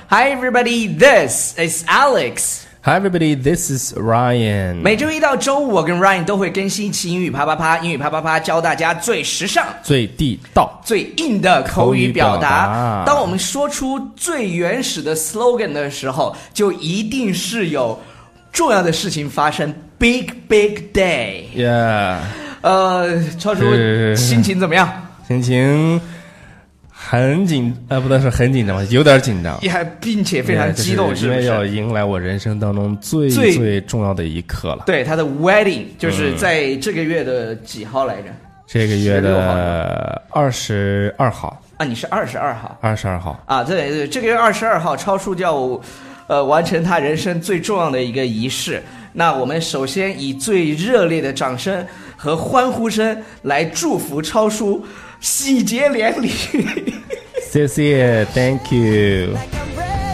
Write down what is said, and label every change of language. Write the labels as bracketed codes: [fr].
[en] Hi everybody, this is Alex. Hi everybody, this is Ryan. [zh] 每周一到周五，我跟 Ryan 都会更新一期英语啪啪啪。英语啪啪啪教大家最时尚、最地道、最硬的口语表达。当我们说出最原始的 slogan 的时候，就一定是有重要的事情发生 ， [en] big big day。 Yeah. [zh] 超叔心情怎么样？心情。很紧不但是很紧张吧，有点紧张，也并且非常激动，是不是？因为要迎来我人生当中最最重要的一刻了。对，他的 wedding 就是在这个月的几号来着？这个月的22号啊，你是22号？ 22号啊，对 对, 对，这个月22号，超叔叫我完成他人生最重要的一个仪式。那我们首先以最热烈的掌声和欢呼声来祝福超叔。喜结连理，谢谢 ， [en] Thank you。